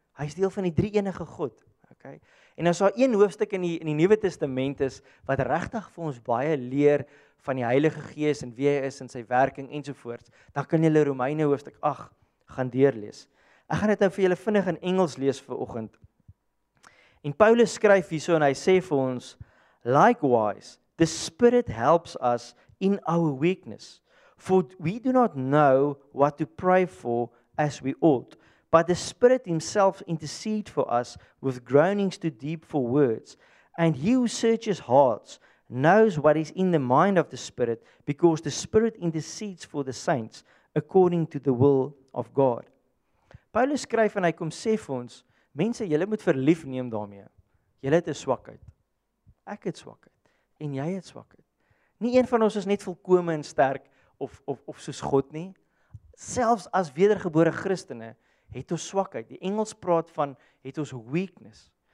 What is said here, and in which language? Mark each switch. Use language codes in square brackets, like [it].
[af] Hy is deel van die drie-enige God. Okay. En as daar een hoofstuk in die Nuwe Testament is wat regtig vir ons baie leer van die Heilige Gees en wie hy is en sy werking ensovoorts, dan kan julle Romeine hoofstuk 8 gaan deurlees. Ek gaan dit nou vir julle vinnig in Engels lees vir oggend. En Paulus skryf hierso en hy sê vir ons, [en] likewise, the Spirit helps us in our weakness, for we do not know what to pray for as we ought. But the Spirit himself intercedes for us with groanings too deep for words. And he who searches hearts knows what is in the mind of the Spirit, because the Spirit intercedes for the saints according to the will of God. [af] Paulus skryf en hy kom sê vir ons, mense, julle moet verlief neem daarmee. Julle het 'n swakheid. Ek het swakheid en jy het swakheid. Nie een van ons is net volkome en sterk of soos God nie. Selfs as wedergebore Christene het ons swakheid. Die Engels praat van het ons weakness.